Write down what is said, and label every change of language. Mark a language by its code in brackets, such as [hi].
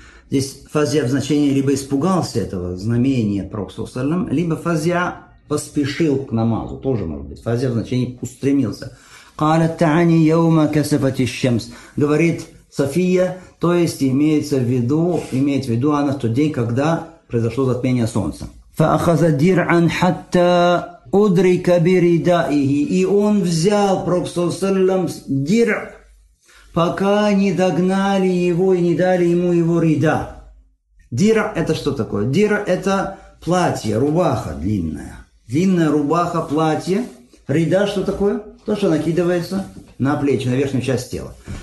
[ru] Здесь «фазиа» в значении либо испугался этого знамения пророка Саллаллаху Алейхи Вассалям, либо «фазиа» поспешил к намазу, тоже может быть. Фазе в значении устремился. [ar] «Калят та'ани яума кесефати шемс», [ru] говорит София, то есть имеется в виду, имеет в виду она в тот день, когда произошло затмение солнца. «Ф [ar] فأخذ درعا حتى أدرك بردائه. [ru] И он взял пропсосалам дир, пока не догнали его и не дали ему его рида. Дир это что такое? Дир это платье, рубаха длинная. Длинная рубаха, платье. Рида что такое? То, что накидывается на плечи, на верхнюю часть тела.